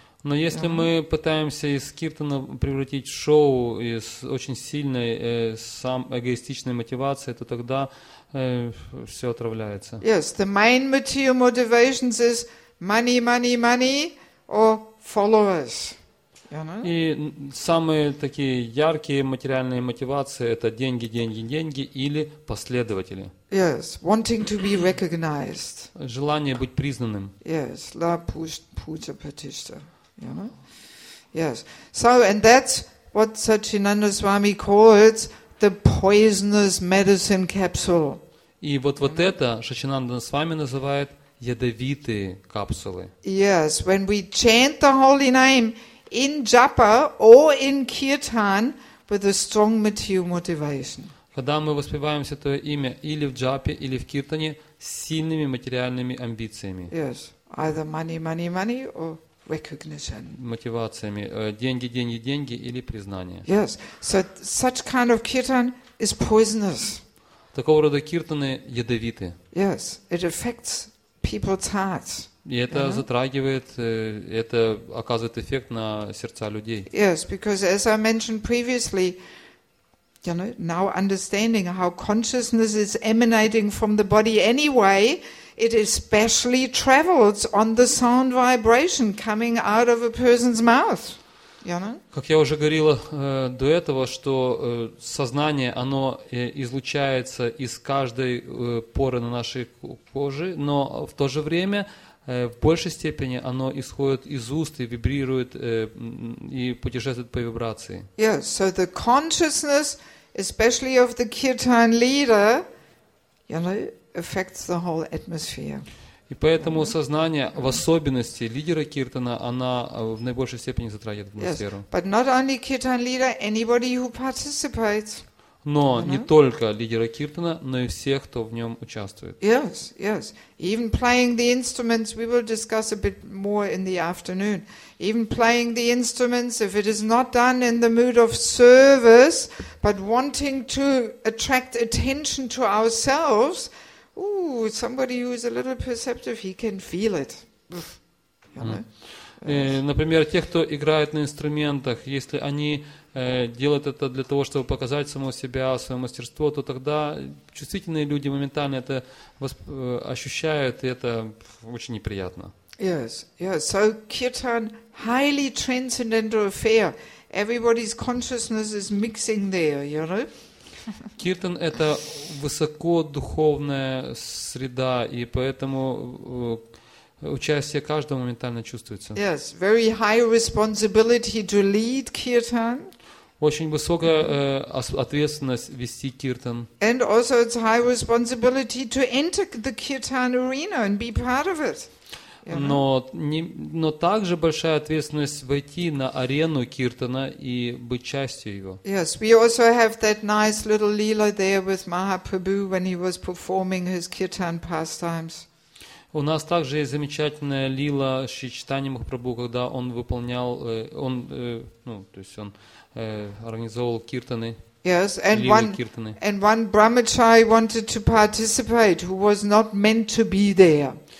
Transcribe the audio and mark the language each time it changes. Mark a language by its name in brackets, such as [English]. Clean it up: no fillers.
[Russian] Но если мы пытаемся из киртана превратить в шоу с очень сильной эгоистичной мотивацией, то тогда все отравляется. [English] Yes, the main material motivations is money, money, money or followers. [Russian] И самые такие яркие материальные мотивации это деньги, деньги, деньги или последователи. [English] Yes, wanting to be recognized. [Russian] Желание быть признанным. [English] Yes, la puja pratishtha. Yes. So, and that's what Satchinanda Swami calls the poisonous medicine capsule. [Russian] И вот это Сачинанда Свами называет ядовитые капсулы. [English] Yes. When we chant the holy name in japa or in kirtan with a strong material motivation. [Russian] Когда мы воспеваем святое имя или в джапе, или в киртане с сильными материальными амбициями. [English] Yes. Either money, money, money or recognition. [Russian] Мотивациями. Деньги, деньги, деньги или признание. [English] Yes. So such kind of kirtan is poisonous. [Russian] Такого рода киртаны ядовиты. [English] Yes. It affects people's hearts. [Russian] И это затрагивает, это оказывает эффект на сердца людей. [English] Yes, because as I mentioned previously, you know, now understanding how consciousness is emanating from the body anyway, it especially travels on the sound vibration coming out of a person's mouth. [Russian] Как я уже говорила до этого, что сознание, оно излучается из каждой поры на нашей коже, но в то же время в большей степени оно исходит из уст и вибрирует и путешествует по вибрации. [English] Yes, so the consciousness, especially of the kirtan leader, affects the whole atmosphere. [Russian] И поэтому сознание, в особенности лидера киртана, она в наибольшей степени затрагивает атмосферу. [English] Yes, but not only kirtan leader, anybody who participates. [Russian] Но не только лидера киртана, но и всех, кто в нем участвует. [English] Yes, yes. Even playing the instruments, we will discuss a bit more in the afternoon. Even playing the instruments, if it is not done in the mood of service, but wanting to attract attention to ourselves. Ooh, somebody who is a little perceptive, he can feel it. [Russian] Например, те, кто играет на инструментах, если они делают это для того, чтобы показать самого себя, свое мастерство, то тогда чувствительные люди моментально это ощущают, и это очень неприятно. [English] Yes, yes. So kirtan, highly transcendental affair. Everybody's consciousness is mixing there, you know? [Russian] Киртан – это высокодуховная среда, и поэтому участие каждого моментально чувствуется. [English] Yes, very high responsibility to lead kirtan. [Russian] Очень высокая ответственность вести киртан. [English] And also it's high responsibility to enter the kirtan arena and be part of it. [Russian] Но также большая ответственность войти на арену киртана и быть частью его. [English] Yes, we also have that nice little lila there with Mahaprabhu when he was performing his kirtan pastimes. [Russian] У нас также есть замечательная лила Шри Чайтанья Махапрабху, когда он выполнял, он, ну, то есть он организовывал киртаны. [English] Yes, and one brahmachari wanted to participate who was not meant to be there.